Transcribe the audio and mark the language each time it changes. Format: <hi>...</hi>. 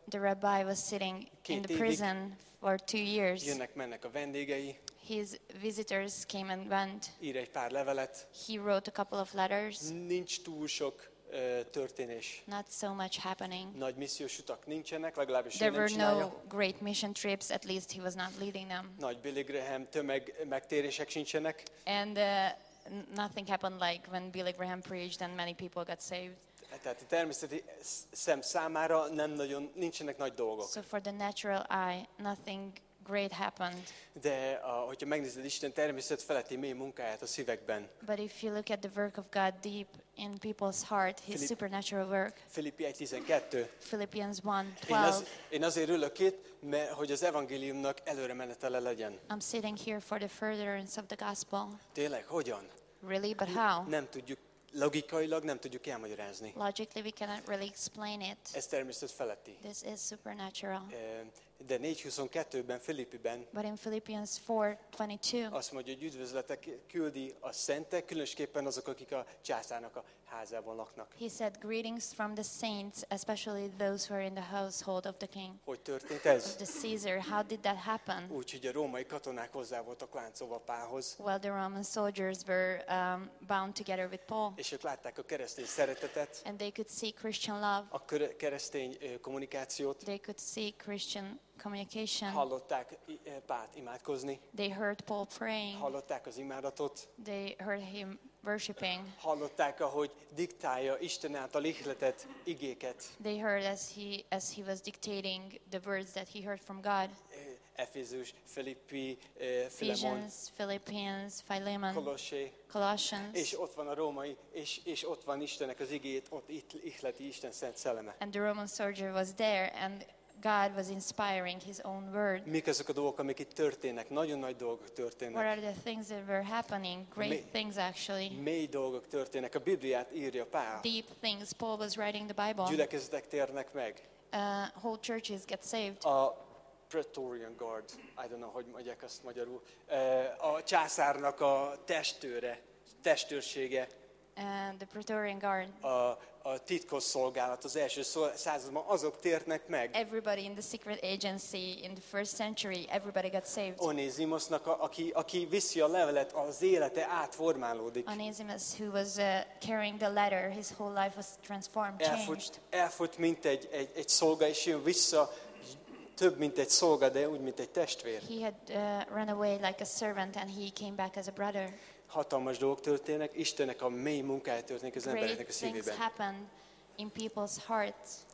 <en>The rabbi was sitting in the prison for 2 years.</en> <hu>Jönnek mennek a vendégei.</hu> <en>His visitors came and went.</en> <hu>Ír egy pár levelet.</hu> <en>He wrote a couple of letters.</en> <hu>Nincs túl sok történés.</hu> <en>Not so much happening.</en> <hu>Nagy missziós utak nincsenek, legalábbis</hu> <en>There were</en> <hu>csinálja.</hu> <en>No great mission trips, at least he was not leading them.</en> <hu>Nagy Billy Graham tömeg megtérések sincsenek.</hu> <en>And nothing happened like when Billy Graham preached and many people got saved.</en> <hu>Tehát a természeti szem számára nem nagyon nincsenek nagy dolgok.</hu> <en>So for the natural eye, nothing great happened.</en> <hu>De hogyha megnézed Isten természet feletti mély munkáját a szívekben.</hu> <en>But if you look at the work of God deep in people's heart, his supernatural work. Philippians 1:12.</en> <hu>Én azért ülök itt, mert hogy az evangéliumnak előre menetele legyen.</hu> <en>I'm sitting here for the furtherance of the gospel.</en> <hu>Tényleg, hogyan?</hu> <en>Really, but how?</en> <hu>Nem tudjuk logikailag nem tudjuk elmagyarázni.</hu> <en>Logically we cannot really explain it.</en> <hu>Ez természet feletti.</hu> <en>This is supernatural.</en> <hu>de 4:22-ben Filippiben.</hu> <en>But in Philippians 4:22.</en> <hu>Azt mondja, hogy üdvözletek küldi a szentek, különösképpen azok, akik a császárnak a házában laknak.</hu> <en>He said greetings from the saints, especially those who are in the household of the king.</en> <hu>Hogy történt ez?</hu> <en>The Caesar, how did that happen?</en> <hu>Úgyhogy a római katonák hozzá voltak láncolva Pálhoz.</hu> <en>Well, the Roman soldiers were bound together with Paul.</en> <hu>És ők látták a keresztény szeretetet.</hu> <en>And they could see Christian love.</en> <hu>A keresztény kommunikációt.</hu> <en>They could see Christian communication.</en> <hu>Hallották Pált imádkozni.</hu> <en>They heard Paul praying.</en> <hu>Hallották az imádatot.</hu> <en>They heard him worshiping.</en> <hu>Hallották, ahogy diktálja Isten által ihletett igéket.</hu> <en>They heard as he was dictating the words that he heard from God. Ephesus, Philippi, Ephesians, Philippians, Philemon, Colossians.</en> <hu>És ott van a római, és ott van Istennek az igéjét, ott itt ihleti Isten szent szelleme.</hu> <en>And the Roman soldier was there and God was inspiring his own word.</en> <hu>Mik azok a dolgok, amik itt történnek? Nagyon nagy dolgok történnek.</hu> <en>What are the things that were happening? Great things actually.</en> <hu>Mély dolgok történnek. A Bibliát írja Pál.</hu> <en>Deep things. Paul was writing the Bible.</en> <hu>Gyülekezetek térnek meg.</hu> <en>Whole churches get saved. A Praetorian Guard. I don't know,</en> <hu>hogy mondják azt magyarul. A császárnak a testőrsége.</hu> <en>And the Praetorian Guard.</en> <hu>A titkos szolgálat az első században azok tértnek meg.</hu> <en>Everybody in the secret agency in the first century, everybody got saved.</en> <hu>Onesimusnak, aki viszi a levelet, az élete átformálódik.</hu> <en>Onesimus, who was carrying the letter, his whole life was transformed, changed.</en> <hu>Elfut mint egy szolga, és jön vissza több mint egy szolga, de úgy mint egy testvér.</hu> <en>He had run away like a servant, and he came back as a brother.</en> <hu>Hatalmas dolgok történnek, Istennek a mély munkája történik az embereknek a szívében.</hu> <en>Great things happen in people's hearts.</en>